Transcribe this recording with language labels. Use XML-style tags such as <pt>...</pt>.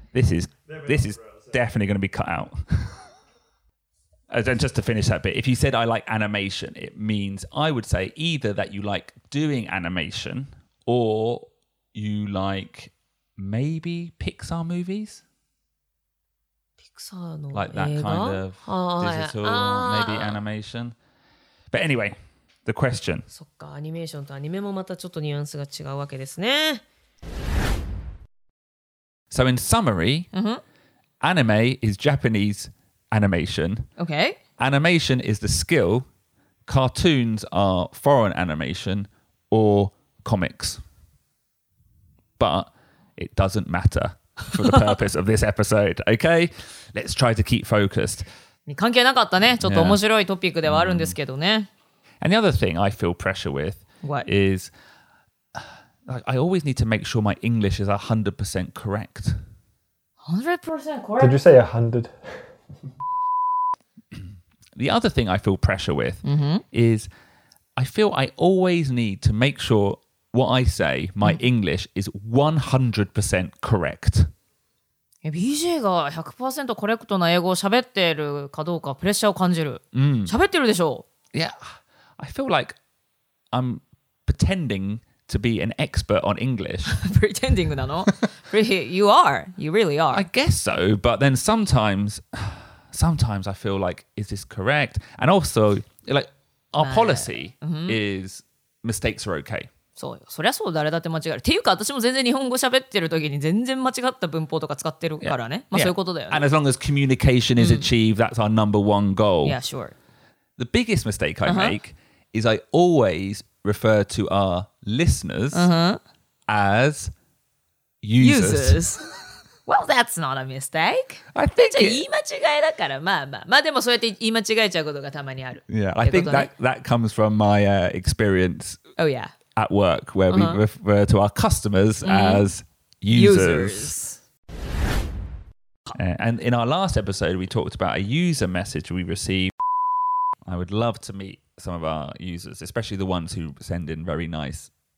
<en>This is definitely going to be cut out. And just to finish that bit, if you said I like animation, it means I would say either that you like doing animation or you like... Maybe Pixar movies?</en> <ja>Pixar の映画?</ja> <en>Like that kind of digital, maybe animation. But anyway, the question.</en> <ja>そっか、アニメーションとアニメもまたちょっとニュアンスが違うわけですね。</ja> <en>So in summary, anime is Japanese animation. Okay. Animation is the skill. Cartoons are foreign animation or comics. But it doesn't matter for the purpose of this episode. Okay? Let's try to keep focused.</en> <ja>関係なかったね。ちょっと面白いトピックではあるんですけどね。</ja> <en>And the other thing I feel pressure with is I always need to make sure my English is 100% correct. 100% correct? Did you say 100? The other thing I feel pressure with is I feel I always need to make sureWhat I say, my English is 100% correct.</en> <ja>BJ が 100% コレクトな英語を喋ってるかどうかプレッシャーを感じる。喋ってるでしょう。</ja> <en>Yeah, I feel like I'm pretending to be an expert on English. Pretending</en> <ja>なの?</ja> <en>You are. You really are. I guess so, but then sometimes I feel like, is this correct? And also, like, our policy is mistakes are okay.</en> <ja>そうよ。そりゃそう、誰だって間違える。っていうか、私も全然日本語喋ってる時に全然間違った文法とか使ってるからね。 Yeah. まあ、そういうことだよね。</ja> <en>And as long as communication is achieved, that's our number one goal. Yeah, sure. The biggest mistake I make is I always refer to our listeners as users. Well, that's not a mistake. I think</en> <ja>じゃあ言い間違いだから、まあまあ。まあでもそうやって言い間違えちゃうことがたまにある。</ja> <en>Yeah, I think that comes from my experience. Oh, yeah. At work, where we refer to our customers as users. And in our last episode, we talked about a user message we received. I would love to meet some of our users, especially the ones who send in very nice.</en>